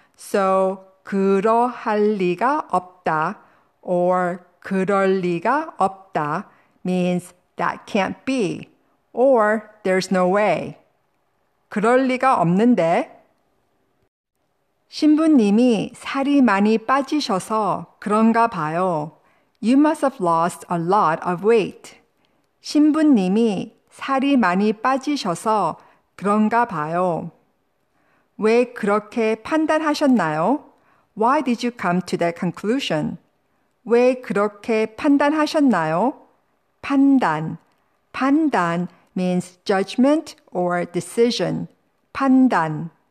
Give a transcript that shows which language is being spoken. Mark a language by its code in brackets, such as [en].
[en] So [ko] 그러할 리가 없다 [en] or [ko] 그럴 리가 없다 [en] means that can't be or there's no way. [ko] 그럴 리가 없는데 신부님이 살이 많이 빠지셔서 그런가 봐요. [en] You must have lost a lot of weight. [ko] 신부님이 살이 많이 빠지셔서 그런가 봐요. 왜 그렇게 판단하셨나요? [en] Why did you come to that conclusion? [ko] 왜 그렇게 판단하셨나요? [en] 판단. 판단 means judgment or decision. 판단.